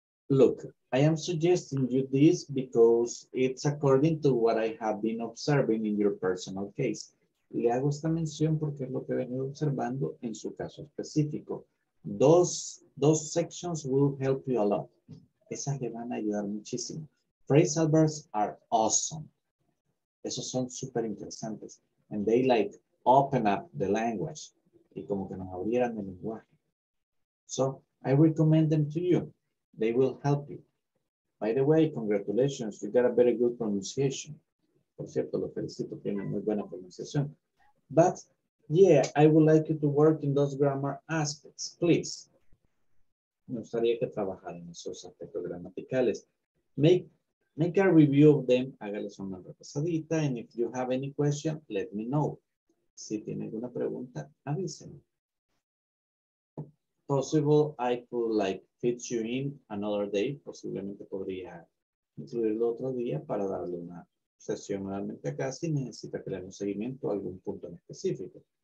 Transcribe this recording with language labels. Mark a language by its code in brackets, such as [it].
[en] Look, I am suggesting you this because it's according to what I have been observing in your personal case. [es] Le hago esta mención porque es lo que he venido observando en su caso específico. [en] Those sections will help you a lot. [es] Esas le van a ayudar muchísimo. [en] Phrasal verbs are awesome. [es] Esos son súper interesantes. [en] And they like open up the language. [es] Y como que nos abrieran el lenguaje. [en] So, I recommend them to you. They will help you. By the way, congratulations, you got a very good pronunciation. [es] Por cierto, lo felicito, tiene muy buena pronunciación. [en] But, yeah, I would like you to work in those grammar aspects, please. [es] Me gustaría que trabajara en esos aspectos gramaticales. [en] Make a review of them, [es] hágales una repasadita, [en] and if you have any question, let me know. [es] Si tiene alguna pregunta, avíseme. [en] Possible, I could like fit you in another day. [es] Posiblemente podría incluirlo otro día para darle una sesión nuevamente acá si necesita que le dé un seguimiento a algún punto en específico.